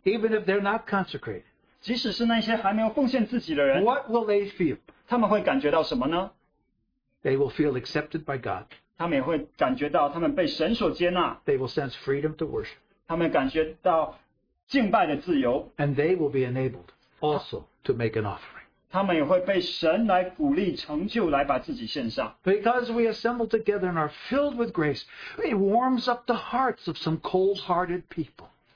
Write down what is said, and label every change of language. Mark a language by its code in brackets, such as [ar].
[en] even if they're not consecrated, [zh] 即使是那些还没有奉献自己的人, [en] what will they feel? [zh] 他们会感觉到什么呢? [en] They will feel accepted by God. They will sense freedom to worship. [zh] 他们感觉到敬拜的自由, [en] and they will be enabled also to make an offering. [zh] 他们也会被神来鼓励成就来把自己献上 [en] Because we assemble together and are filled with grace, it warms up the hearts of some cold-hearted people.